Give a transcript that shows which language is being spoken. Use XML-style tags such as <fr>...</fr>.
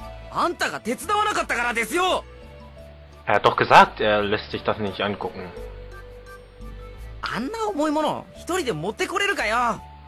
<ja>あんたが手伝わなかったからですよ。</ja> <de>Er hat doch gesagt, er lässt sich das nicht angucken.</de> <ja>あんな重いもの、一人で持ってこれるかよ。</ja>